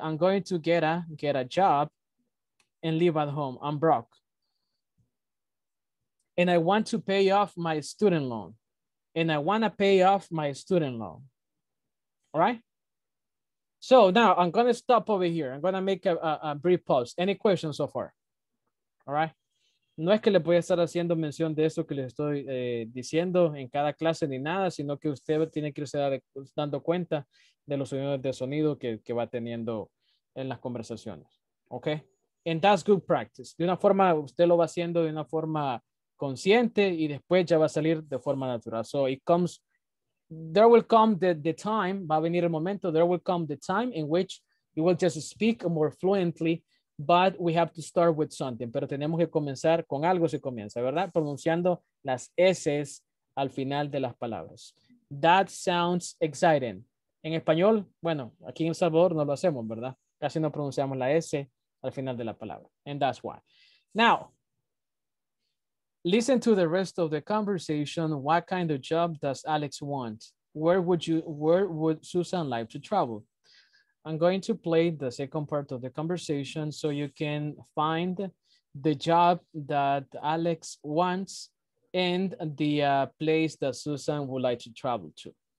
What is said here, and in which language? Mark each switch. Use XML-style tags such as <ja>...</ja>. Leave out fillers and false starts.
<en>I'm going to get a job and live at home. I'm broke. And I want to pay off my student loan. All right. So now I'm going to stop over here. I'm going to make a brief pause. Any questions so far? All right.</en> <es>No es que le voy a estar haciendo mención de eso que les estoy diciendo en cada clase ni nada, sino que usted tiene que irse dando cuenta de los sonidos de sonido que va teniendo en las conversaciones. ¿Ok?</es> <en>And that's good practice.</en> <es>De una forma, usted lo va haciendo de una forma consciente y después ya va a salir de forma natural.</es> <en>So it comes, there will come the time,</en> <es>va a venir el momento,</es> <en>there will come the time in which you will just speak more fluently. But we have to start with something.</en> <es>Pero tenemos que comenzar con algo, se comienza, ¿verdad? Pronunciando las S's al final de las palabras.</es> <en>That sounds exciting.</en> <es>En español, bueno, aquí en El Salvador no lo hacemos, ¿verdad? Casi no pronunciamos la S al final de la palabra.</es> <en>And that's why. Now, listen to the rest of the conversation. What kind of job does Alex want? Where would Susan like to travel? I'm going to play the second part of the conversation so you can find the job that Alex wants and the place that Susan would like to travel to.</en>